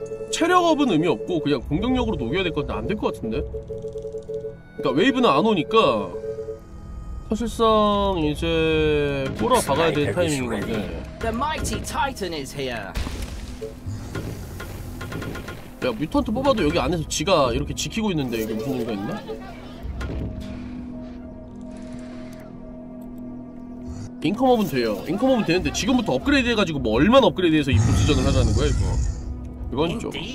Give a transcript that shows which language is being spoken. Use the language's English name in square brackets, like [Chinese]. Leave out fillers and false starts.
[Korean] 체력업은 의미 없고 그냥 공격력으로 녹여야 될 것 같은데 안 될 것 같은데? 그러니까 웨이브는 안 오니까 사실상 이제 꼬라 박아야 될 타이밍인 건데. [English] The mighty Titan is here. [Korean] 야, 뮤턴트 뽑아도 여기 안에서 지가 이렇게 지키고 있는데 이게 무슨 일이 있나? 인컴업은 돼요. 인컴업은 되는데 지금부터 업그레이드 해가지고 뭐 얼마나 업그레이드해서 이 보스전을 하자는 거야 이거. 이건 좀.